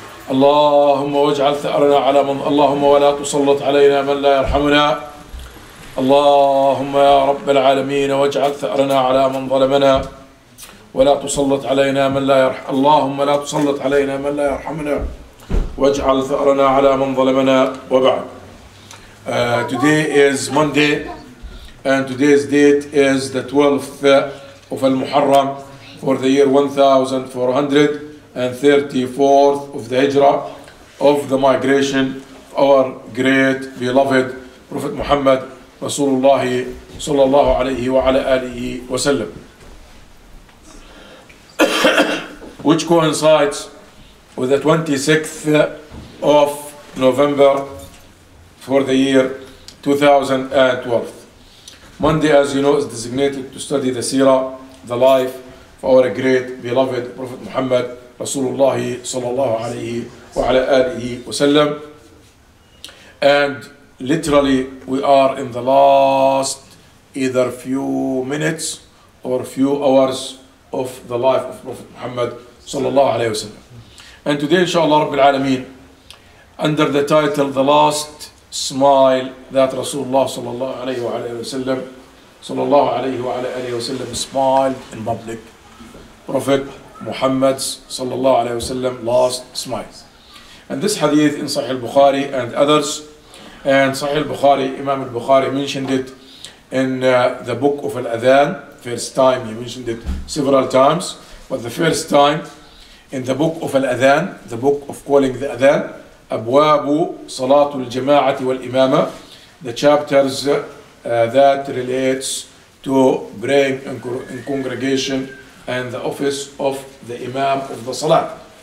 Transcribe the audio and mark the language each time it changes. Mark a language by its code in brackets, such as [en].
[ar] اللهم واجعل ثأرنا على من اللهم ولا تسلط علينا من لا يرحمنا. اللهم يا رب العالمين واجعل ثأرنا على من ظلمنا، ولا تسلط علينا من لا يرحمنا. اللهم لا تسلط علينا من لا يرحمنا واجعل ثأرنا على من ظلمنا. [en] وبعد، today is Monday and today's date is the 12th of المحرم for the year 1434 of the Hijra of the migration of our great beloved Prophet Muhammad [ar] رسول الله صلى الله عليه وعلى آله وسلم، [en] which coincides with the 26th of November for the year 2012. Monday, as you know, is designated to study the seerah, the life of our great beloved Prophet Muhammad [ar] رسول الله صلى الله عليه وعلى آله وسلم. [en] And literally we are in the last either few minutes or few hours of the life of Prophet Muhammad [ar] صلى الله عليه وسلم. [en] And today inshallah [ar] رب العالمين, [en] under the title The Last Smile That [ar] رسول الله صلى الله عليه وعلى آله وسلم [en] صلى الله عليه وعلى آله وسلم smiled in public, Prophet Muhammad [ar] صلى الله عليه وسلم [en] last smile. And this hadith in Sahih al-Bukhari and others, and Sahih al-Bukhari, Imam al-Bukhari mentioned it in the book of al-Adhan, first time he mentioned it several times, but the first time in the book of al-Adhan, the book of calling the Adhan, [ar] أبواب صلاة الجماعة والإمامة, [en] the chapters that relates to praying in congregation and the office of the Imam of the Salat.